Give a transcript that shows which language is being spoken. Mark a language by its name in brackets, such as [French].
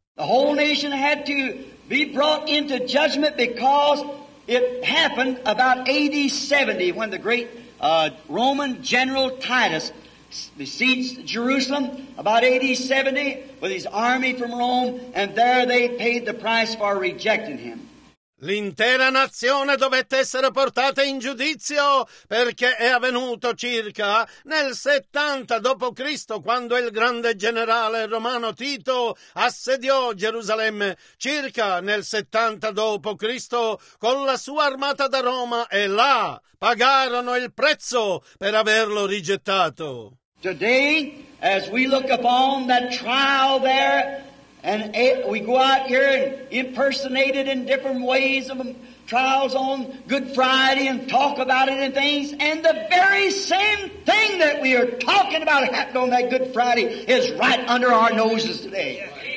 [English] The whole nation had to be brought into judgment because it happened about AD 70 when the great Roman general Titus besieged Jerusalem about AD 70 with his army from Rome, and there they paid the price for rejecting him. [Italian] L'intera nazione dovette essere portata in giudizio perché è avvenuto circa nel 70 dopo Cristo, quando il grande generale romano Tito assediò Gerusalemme, circa nel 70 dopo Cristo, con la sua armata da Roma, e là pagarono il prezzo per averlo rigettato. [English] Today, as we look upon that trial there, and we go out here and impersonate it in different ways of trials on Good Friday and talk about it and things, and the very same thing that we are talking about happened on that Good Friday is right under our noses today.